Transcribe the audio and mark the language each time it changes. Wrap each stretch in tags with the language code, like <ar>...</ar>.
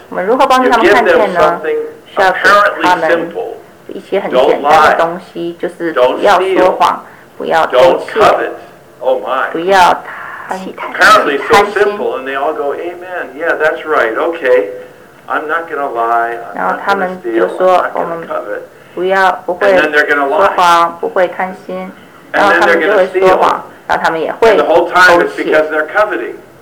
<zh>我们如何帮助他们看见呢？需要给他们一些很简单的东西，就是不要说谎，不要偷窃，不要贪。</zh> <en>Apparently so simple, and they all go, "Amen. Yeah, that's right. Okay." I'm not going to lie, I'm not going to steal, I'm not going to covet.</en> <zh>不要不会说谎不会贪心然后他们就会说谎然后他们也会偷窃</zh> <en>And the whole time it's because they're coveting.</en>